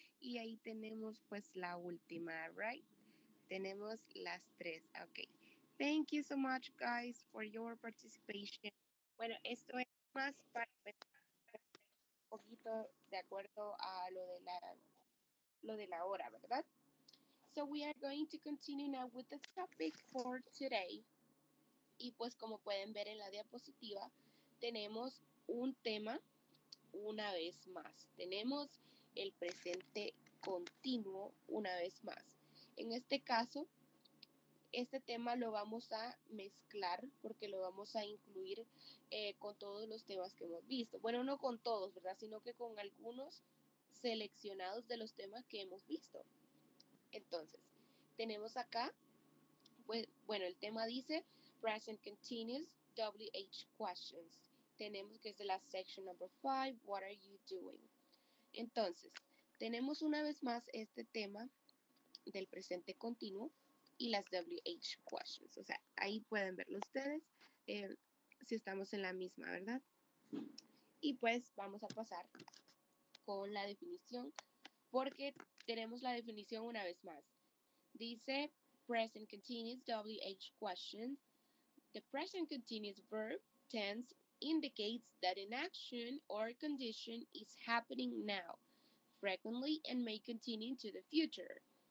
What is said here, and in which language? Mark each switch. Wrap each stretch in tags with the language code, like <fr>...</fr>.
<es>Y ahí tenemos pues la última,</es> <en>right?</en> <es>Tenemos las 3. Okay.</es> <en>Thank you so much, guys, for your participation.</en> <es>Bueno, esto es más para pensar un poquito de acuerdo a lo de la hora, ¿verdad?</es> <en>So we are going to continue now with the topic for today.</en> <es>Y pues como pueden ver en la diapositiva, tenemos un tema una vez más. Tenemos el presente continuo una vez más. En este caso, este tema lo vamos a mezclar porque lo vamos a incluir con todos los temas que hemos visto. Bueno, no con todos, ¿verdad? Sino que con algunos seleccionados de los temas que hemos visto. Entonces, tenemos acá, pues, bueno, el tema dice</es> <en>Present Continuous WH Questions.</en> <es>Tenemos que es de la</es> <en>section number 5, What are you doing?</en> <es>Entonces, tenemos una vez más este tema del presente continuo y las WH questions. O sea, ahí pueden verlo ustedes si estamos en la misma, ¿verdad? Y pues vamos a pasar con la definición porque tenemos la definición una vez más.</es> <en>Dice present continuous WH questions. The present continuous verb tense indicates that an action or condition is happening now, frequently, and may continue into the future.</en>